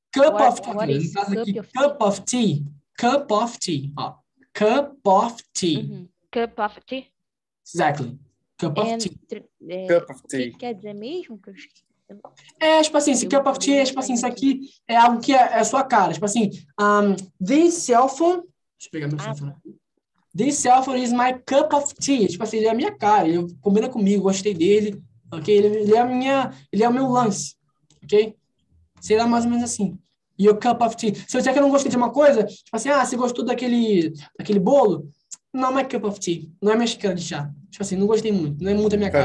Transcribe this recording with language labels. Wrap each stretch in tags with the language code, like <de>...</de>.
<en>Cup of tea. What is cup, aqui. Of cup of tea. Cup of tea. Oh. Cup of tea. Uh-huh. Cup of tea. Exactly. Cup of tea. Cup of tea.</en> <pt>O que quer dizer mesmo? Que eu... É, tipo assim, esse cup of tea, é, tipo assim, isso aqui é algo que é, é a sua cara. Tipo assim,</pt> <en>this cell phone,</en> <pt>deixa eu pegar meu celular.</pt> <en>This cell phone is my cup of tea.</en> <pt>Tipo assim, ele é a minha cara, ele combina comigo, gostei dele, ok? Ele é a minha, ele é o meu lance, ok? Sei lá, mais ou menos assim.</pt> <en>Your cup of tea.</en> <pt>Se eu disser que eu não gostei de uma coisa, tipo assim, ah, você gostou daquele bolo? Não,</pt> <en>my cup of tea.</en> <pt>Não é minha xícara de chá. Tipo assim, não gostei muito. Não é muito a minha cara.</pt>